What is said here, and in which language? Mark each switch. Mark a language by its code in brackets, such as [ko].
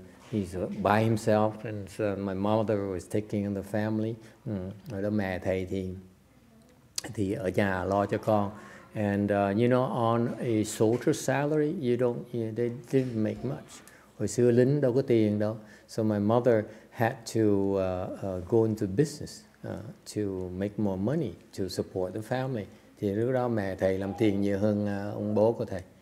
[en] He's by himself, and so my mother was taking the family. [vi] Đó mẹ thầy thì ở nhà lo cho con. [en] And on a soldier salary, they didn't make much. [vi] Hồi xưa lính đâu có tiền đâu. [en] So my mother had to go into business to make more money to support the family. [vi] Thì lúc đó mẹ thầy làm tiền nhiều hơn ông bố của thầy.